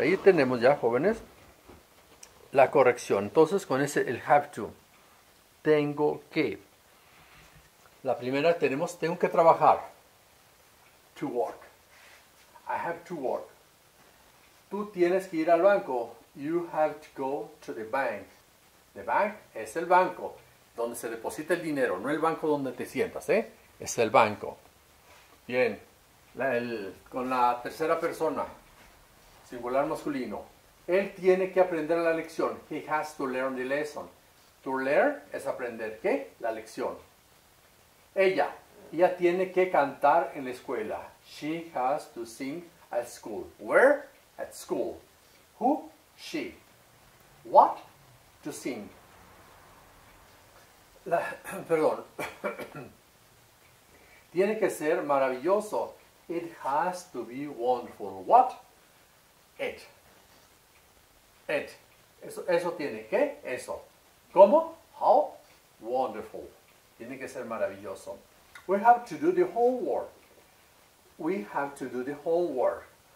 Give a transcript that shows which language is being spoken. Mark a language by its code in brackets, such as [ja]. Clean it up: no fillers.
[es] Ahí tenemos ya, jóvenes, la corrección. Entonces, con ese, el have to. Tengo que. La primera tenemos, tengo que trabajar. [en] To work. I have to work. [es] Tú tienes que ir al banco. [en] You have to go to the bank. The bank [es] es el banco donde se deposita el dinero, no el banco donde te sientas, ¿eh? Es el banco. Bien. Con la tercera persona, singular masculino. Él tiene que aprender la lección. [en] He has to learn the lesson. To learn [es] es aprender, ¿qué? La lección. Ella tiene que cantar en la escuela. [en] She has to sing at school. Where? At school. Who? She. What? To sing. [es] Perdón. Tiene que ser maravilloso. [en] It has to be wonderful. What? It. It. [es] Eso tiene. ¿Qué? Eso. ¿Cómo? [en] How? Wonderful. [es] Tiene que ser maravilloso. [en] We have to do the homework. We have to do the homework.